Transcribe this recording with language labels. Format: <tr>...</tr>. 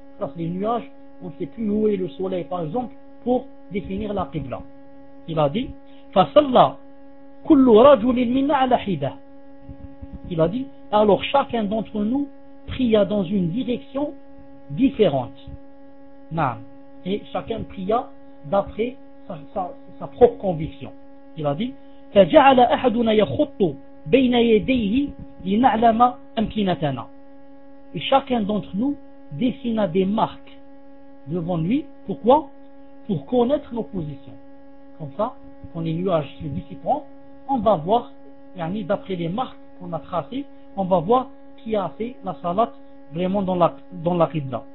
<fr>Face aux nuages, on ne sait plus où est le soleil, par exemple, pour définir la Qibla. Il a dit,</fr> <ar>فَصَلَّى كُلُّ رَجُلٍ مِنَّا عَلَى حِدَةٍ.</ar> <fr>Il a dit, alors chacun d'entre nous pria dans une direction différente. Naam. Et chacun pria d'après sa propre conviction. Il a dit,</fr> <ar>فجعل أحدنا يخط بين يديه لنعلم أمكنتنا.</ar> <fr>Et chacun d'entre nous dessina des marques devant lui. Pourquoi? Pour connaître nos positions. Comme ça, quand les nuages se dissiperont, on va voir, yani d'après les marques qu'on a tracées, on va voir qui a fait la salat vraiment dans la qibla.</fr>